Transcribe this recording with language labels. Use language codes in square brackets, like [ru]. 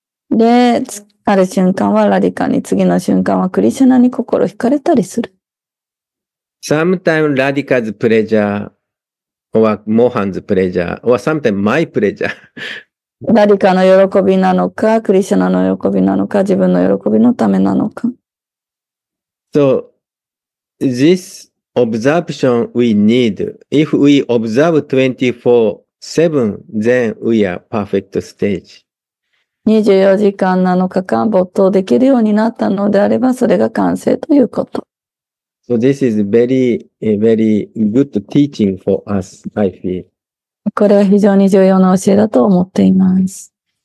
[ja] で、ある瞬間はラディカに、次の瞬間はクリシュナに心惹かれたりする。 [en] Sometimes Radhika's pleasure, or Mohan's pleasure, or sometimes my pleasure. [ja] ラディカの喜びなのか、クリシュナの喜びなのか、自分の喜びのためなのか。 [en] So, this observation we need, if we observe 24/7, then we are perfect stage. [ja] 24時間7日間没頭できるようになったのであれば、それが完成ということ。 [en] So this is very, very good teaching for us, I feel. [ja] これは非常に重要な教えだと思っています。